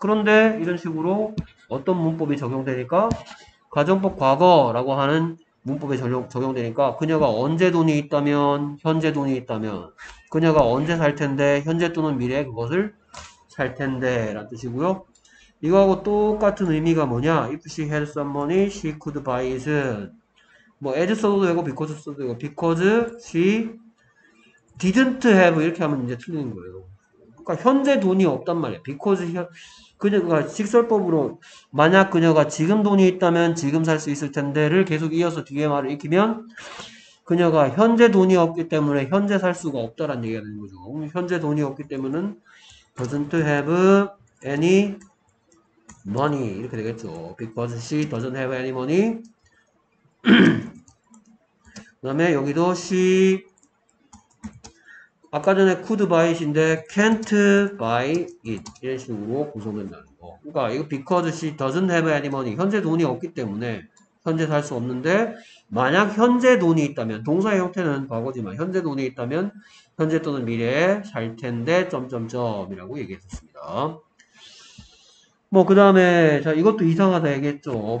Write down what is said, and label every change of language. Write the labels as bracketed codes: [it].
[ko] 그런데 이런 식으로 어떤 문법이 적용되니까 가정법 과거라고 하는 문법에 적용되니까 그녀가 언제 돈이 있다면 현재 돈이 있다면 그녀가 언제 살 텐데 현재 또는 미래에 그것을 살 텐데라는 뜻이고요. 이거하고 똑같은 의미가 뭐냐? [en] If she had some money, she could buy it. [ko] 뭐 as 써도 되고 because 써도 되고 [en] because she didn't have, [ko] 이렇게 하면 이제 틀리는 거예요. 그러니까, 현재 돈이 없단 말이에요. [en] because, [ko] 그녀가 직설법으로, 만약 그녀가 지금 돈이 있다면 지금 살수 있을 텐데를 계속 이어서 뒤에 말을 익히면, 그녀가 현재 돈이 없기 때문에 현재 살 수가 없다라는 얘기가 되는 거죠. 현재 돈이 없기 때문은, [en] doesn't have any money. [ko] 이렇게 되겠죠. [en] because she doesn't have any money. [ko] 그다음에 여기도 she, 아까 전에 [en] could buy it [ko] 인데 [en] can't buy it [ko] 이런 식으로 구성된다는 거. 그러니까 이거 [en] because she doesn't have any money. [ko] 현재 돈이 없기 때문에 현재 살수 없는데 만약 현재 돈이 있다면 동사의 형태는 과거지만 현재 돈이 있다면 현재 또는 미래에 살 텐데 점점점이라고 얘기했었습니다. 뭐 그다음에 자 이것도 이상하다 얘기했죠.